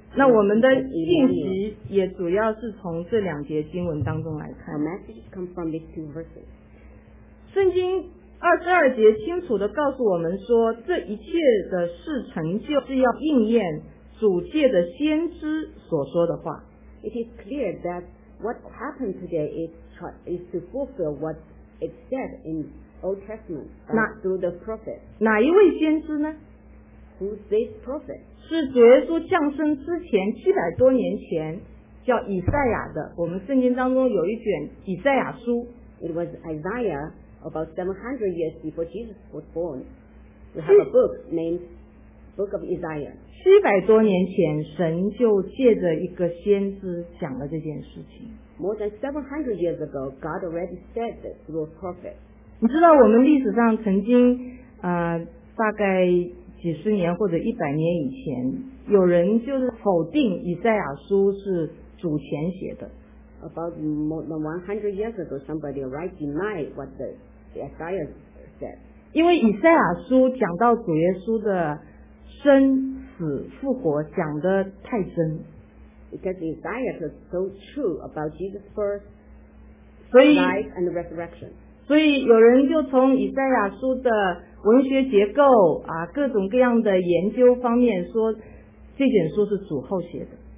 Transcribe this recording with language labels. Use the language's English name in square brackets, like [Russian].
[Chinese] 那我们的信息也主要是从这两节经文当中来看。 [English] Our message comes from these two verses. [Chinese] 圣经22节清楚地告诉我们说，这一切的事成就是要应验主借的先知所说的话。 [English] It is clear that what happened today is to fulfill what it said in Old Testament through the prophet. [Chinese] 哪一位先知呢？ [English] Who's this prophet? [Chinese] 是主耶稣降生之前700多年前叫以赛亚的。我们圣经当中有一卷以赛亚书。 [English] It was Isaiah about 700 years before Jesus was born. We have a book named book of Isaiah. [Chinese] 700多年前，神就借着一个先知讲了这件事情。 [English] More than 700 years ago, God already said this through a prophet. [Chinese] 你知道我们历史上曾经，大概几十年或者一百年以前，有人就是否定以赛亚书是主前写的。 [English] About more than 100 years ago, somebody already denied what the Isaiah said. [Chinese] 因为以赛亚书讲到主耶稣的生死复活讲得太真。 [English] Because Isaiah was so true about Jesus' birth, life, and resurrection. [Chinese] 所以有人就从以赛亚书的文学结构啊，各种各样的研究方面说，这卷书是主后写的。